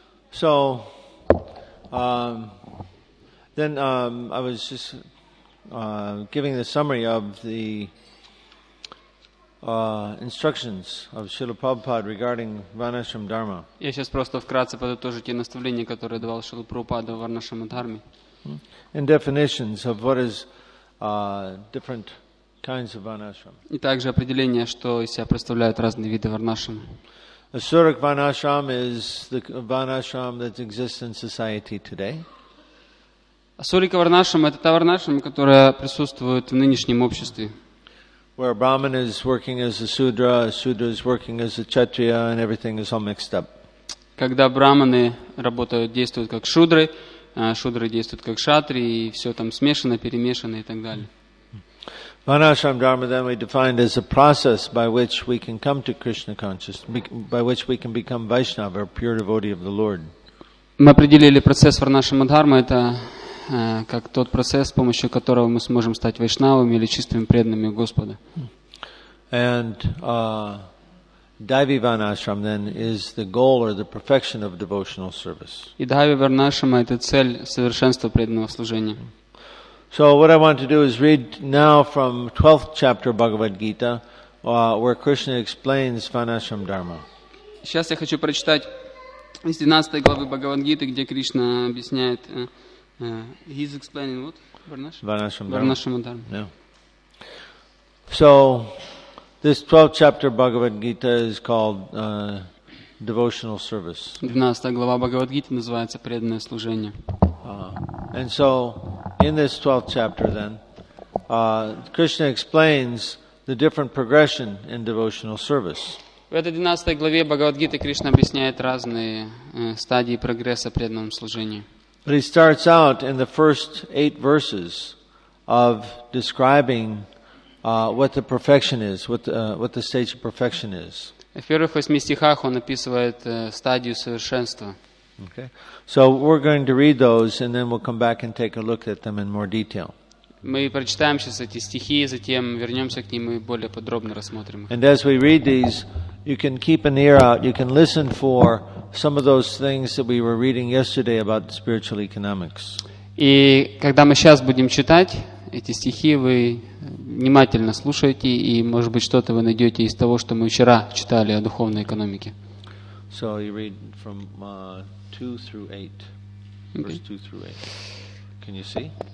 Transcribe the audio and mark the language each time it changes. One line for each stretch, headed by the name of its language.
English: So, then I was just giving the summary of the instructions of Srila Prabhupada regarding Varnashram Dharma.
Russian: Я сейчас просто вкратце подытожу те наставления, которые давал Шрила Прабхупада в Варнашрам Дхарме.
English: And definitions of what is different kinds of Varnashram.
Russian: И также определение, что из себя представляют разные виды Варнашрам.
English: Asuric Varnashram is the Varnashram that exists in society today.
Russian: Асурика Варнашрам — это та Варнашрам, которая присутствует в нынешнем обществе.
English: Where a Brahmin is working as a Sudra is working as a Kshatriya, and everything is all mixed up.
Russian: Когда Брахманы работают, действуют как Шудры, Шудры действуют как Кшатри, и все там смешано, перемешано и так далее.
English: Varnashram Dharma then we defined as a process by which we can come to Krishna consciousness, by which we can become Vaishnava, a pure devotee of the Lord.
Russian: Мы определили процесс Варнашрам Дхармы, это как тот процесс, с помощью которого мы сможем стать вайшнавами или чистыми преданными Господа.
English: And Daivi Varnashram then is the goal or the perfection of devotional service.
Russian: И Daivi Varnashram — это цель совершенства преданного служения.
English: So what I want to do is read now from 12th chapter Bhagavad Gita, where Krishna explains Varnashram Dharma.
Russian: Сейчас я хочу прочитать из 12 главы Бхагавад-гиты, где Кришна объясняет.
English: He's explaining what? Varnashram Dharma. Yeah. So this 12th chapter Bhagavad Gita is called devotional service.
Russian: 12th глава Бхагавад-гиты называется преданное служение.
English: And so in this 12th chapter then Krishna explains the different progression in devotional service.
Russian: В этой 12 главе Бхагавад-гиты Кришна объясняет разные стадии прогресса преданного служения.
English: But he starts out in the first 8 verses of describing what the perfection is, what the stage of perfection is.
Russian: В первых 8 стихах он описывает стадию совершенства.
English: Okay. So we're going to read those and then we'll come back and take a look at them in more detail.
Russian: Мы прочитаем сейчас эти стихи, затем вернемся к ним и более подробно рассмотрим их.
English: And as we read these, you can keep an ear out, you can listen for some of those things that we were reading yesterday about spiritual economics.
Russian: И когда мы сейчас будем читать эти стихи, вы внимательно слушайте, и, может быть, что-то вы найдете из того, что мы вчера читали о духовной экономике.
English: So you read from 2 through 8. Okay. Verse 2 through 8. Can you see?